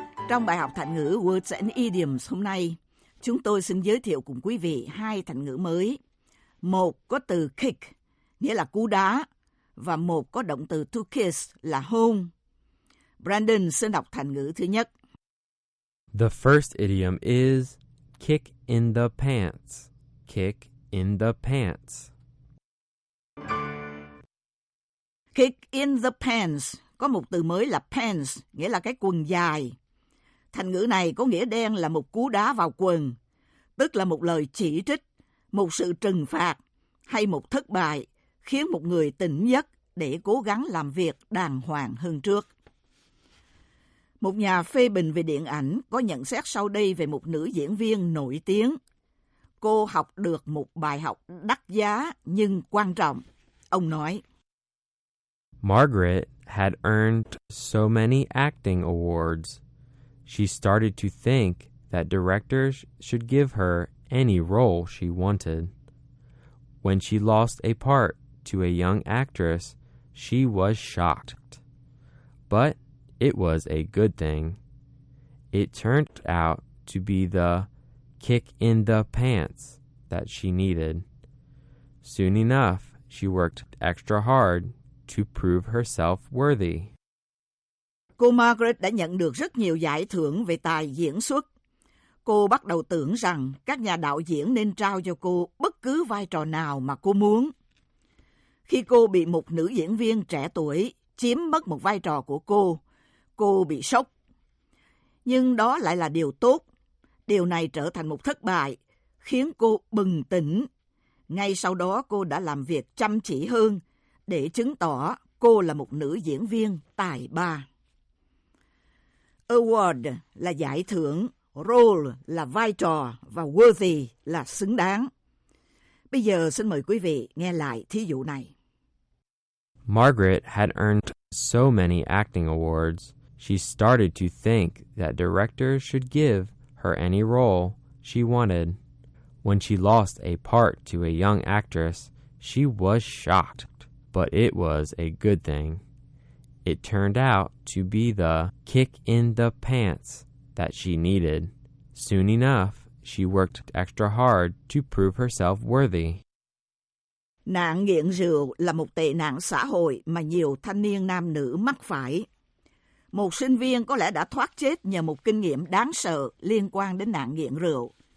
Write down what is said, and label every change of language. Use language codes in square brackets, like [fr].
[vi] Trong bài học thành ngữ Words and Idioms hôm nay, chúng tôi xin giới thiệu cùng quý vị hai thành ngữ mới. Một có từ kick, nghĩa là cú đá, và một có động từ to kiss là hôn. Brandon xin đọc thành ngữ thứ nhất. [en] The first idiom is kick in the pants. Kick in the pants. Kick in the pants. [vi] Có một từ mới là pants, nghĩa là cái quần dài. Thành ngữ này có nghĩa đen là một cú đá vào quần, tức là một lời chỉ trích, một sự trừng phạt hay một thất bại khiến một người tỉnh giấc để cố gắng làm việc đàng hoàng hơn trước. Một nhà phê bình về điện ảnh có nhận xét sau đây về một nữ diễn viên nổi tiếng. Cô học được một bài học đắt giá nhưng quan trọng. Ông nói, [en] Margaret had earned so many acting awards. She started to think that directors should give her any role she wanted. When she lost a part to a young actress, she was shocked. But it was a good thing. It turned out to be the kick in the pants that she needed. Soon enough, she worked extra hard to prove herself worthy. [vi] Cô Margaret đã nhận được rất nhiều giải thưởng về tài diễn xuất. Cô bắt đầu tưởng rằng các nhà đạo diễn nên trao cho cô bất cứ vai trò nào mà cô muốn. Khi cô bị một nữ diễn viên trẻ tuổi chiếm mất một vai trò của cô bị sốc. Nhưng đó lại là điều tốt. Điều này trở thành một thất bại, khiến cô bừng tỉnh. Ngay sau đó cô đã làm việc chăm chỉ hơn để chứng tỏ cô là một nữ diễn viên tài ba. Award là giải thưởng, role là vai trò và worthy là xứng đáng. Bây giờ xin mời quý vị nghe lại thí dụ này. [en] Margaret had earned so many acting awards, she started to think that directors should give her any role she wanted. When she lost a part to a young actress, she was shocked, but it was a good thing. It turned out to be the kick in the pants that she needed. Soon enough, she worked extra hard to prove herself worthy. [vi] Nạn nghiện rượu là một tệ nạn xã hội mà nhiều thanh niên nam nữ mắc phải. Một sinh viên có lẽ đã thoát chết nhờ một kinh nghiệm đáng sợ liên quan đến nạn nghiện rượu.